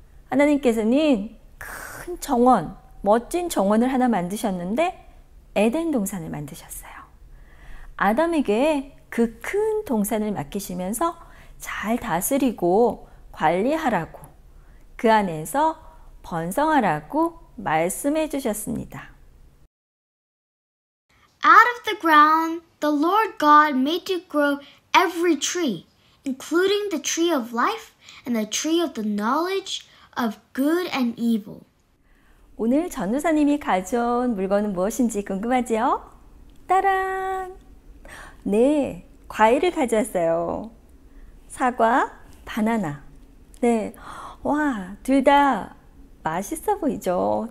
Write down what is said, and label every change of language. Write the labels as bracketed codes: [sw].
[ko] 하나님께서는 큰 정원, 멋진 정원을 하나 만드셨는데 에덴 동산을 만드셨어요. 아담에게 그 큰 동산을 맡기시면서 잘 다스리고 관리하라고, 그 안에서 번성하라고 말씀해 주셨습니다. [en] Out of the ground, the Lord God made to grow every tree, including the tree of life and the tree of the knowledge of good and evil. [ko] 오늘 전도사님이 가져온 물건은 무엇인지 궁금하지요? 따란! 네, 과일을 가져왔어요. 사과, 바나나. 네, 와, 둘 다 맛있어 보이죠?